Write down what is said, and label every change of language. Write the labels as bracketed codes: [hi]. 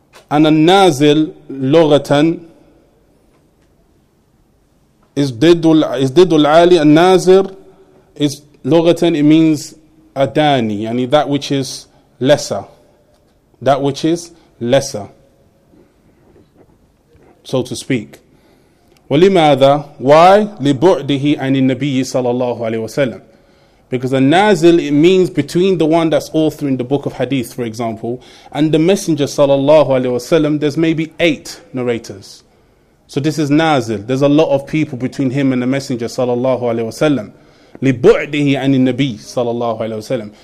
[en] And a nazil, lughatan, is didul ali. A nazir is lughatan, it means adani, yani that which is lesser. That which is lesser, so to speak. [ar] ولماذا? [en] Why? [ar] لبعده عن النبي صلى الله عليه وسلم. [en] Because a nazil, it means between the one that's authoring the book of hadith, for example, and the messenger sallallahu alaihi wasallam, there's maybe 8 narrators. So this is nazil. There's a lot of people between him and the messenger sallallahu alaihi wasallam. [ar] لِبُعْدِهِ عَنِ النَّبِيِّ صَلَى اللَّهُ عَلَيْهِ وَسَلَّمَ.